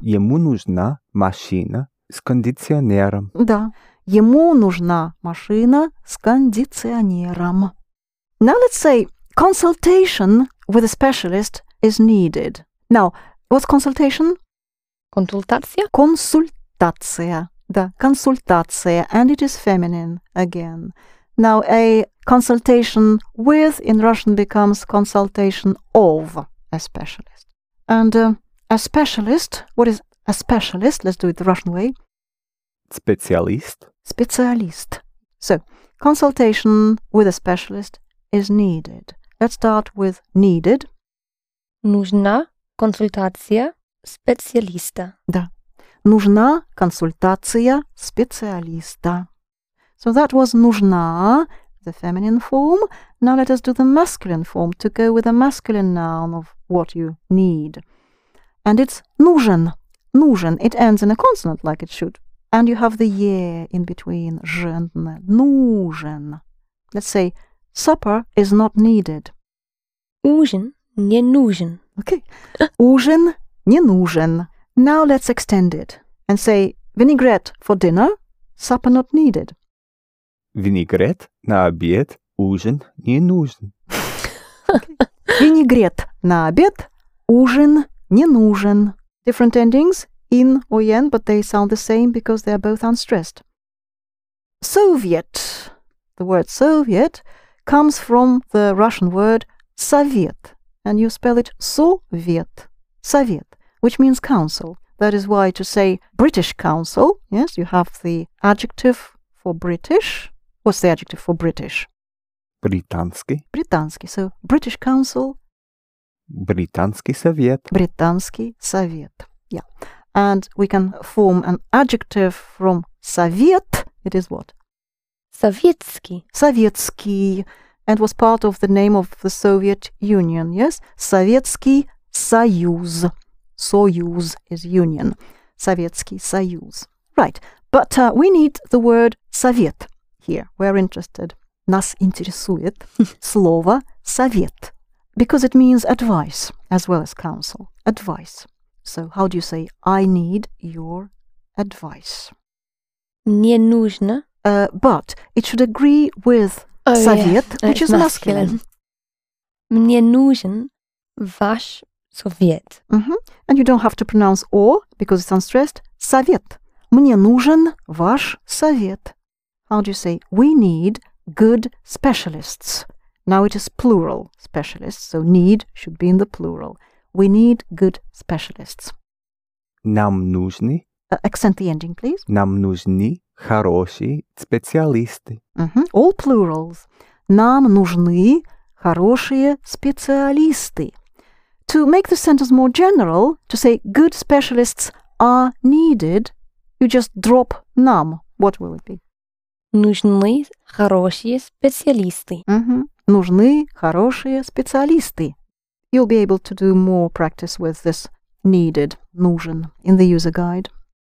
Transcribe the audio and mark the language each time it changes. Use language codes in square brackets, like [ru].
[ru] Ему нужна машина с кондиционером. Да. Ему нужна машина с кондиционером. [en] Now let's say consultation with a specialist is needed. Now, what's consultation? [ru] Консультация. Консультация. Да, консультация. [en] And it is feminine again. Now, a consultation with in Russian becomes consultation of a specialist. And a specialist, what is a specialist? Let's do it the Russian way. [ru] Специалист. [en] Специалист. So, consultation with a specialist is needed. Let's start with needed. [ru] Нужна консультация специалиста. Да. Нужна консультация специалиста. [en] So that was нужна, the feminine form. Now let us do the masculine form to go with a masculine noun of what you need. And it's нужен. Нужен. It ends in a consonant like it should. And you have the е in between. Жен. Нужен. Let's say supper is not needed. [ru] Ужин не нужен. Okay. Ужин не нужен. [en] Now let's extend it and say vinaigrette for dinner, supper not needed. [ru] Винегрет на обед, ужин не нужен. Винегрет на обед, ужин не нужен. [en] Different endings, in or yen, but they sound the same because they are both unstressed. Soviet. The word Soviet comes from the Russian word Soviet. And you spell it Soviet. Soviet, which means council. That is why to say British council, yes, you have the adjective for British. What's the adjective for British? Британский. Британский. So, British Council. [ru] Британский совет. Британский совет. [en] Yeah. And we can form an adjective from совет. It is what? [ru] Советский. Советский. [en] And was part of the name of the Soviet Union. Yes? Советский Союз. Союз is union. Советский Союз. Right. But we need the word совет. Here, we're interested. [ru] Нас интересует слово совет. [en] Because it means advice as well as counsel. Advice. So how do you say, I need your advice? [ru] Мне нужно. [en] But it should agree with совет, yeah. Which is masculine. [ru] Мне нужен ваш совет. Mm-hmm. [en] And you don't have to pronounce о because it's unstressed. [ru] Совет. Мне нужен ваш совет. [en] How do you say, we need good specialists? Now it is plural, specialists, so need should be in the plural. We need good specialists. [ru] Нам нужны. [en] Accent the ending, please. [ru] Нам нужны хорошие специалисты. [en] Mm-hmm. All plurals. [ru] Нам нужны хорошие специалисты. [en] To make the sentence more general, to say good specialists are needed, you just drop нам. What will it be? [ru] Нужны хорошие специалисты. Mm-hmm. Нужны хорошие специалисты. [en] You'll be able to do more practice with this needed, нужен, in the user guide.